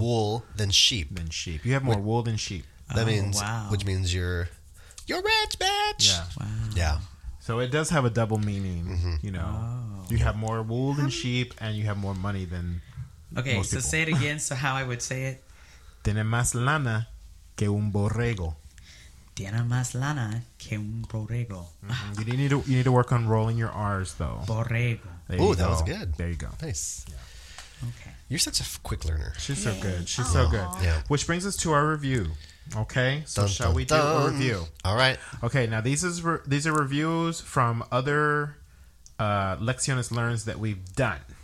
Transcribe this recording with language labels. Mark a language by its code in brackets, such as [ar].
[en] Wool than sheep. Than sheep. You have more wool than sheep. That means. Wow. Which means you're. You're rich, bitch. Yeah. Wow. Yeah. So it does have a double meaning, you know. Oh. You have more wool than sheep, and you have more money than okay, most so people. Say it again, so how I would say it. [es] Tiene más lana que un borrego. Tiene más lana que un borrego. Mm-hmm. [en] You need to work on rolling your R's, though. [es] Borrego. [en] Oh, that was good. There you go. Nice. Yeah. Okay. You're such a quick learner. She's so good. She's so good. Yeah. Which brings us to our review. Okay, so shall we do a review? All right. Okay, now these are reviews from other Lecciones Learns that we've done.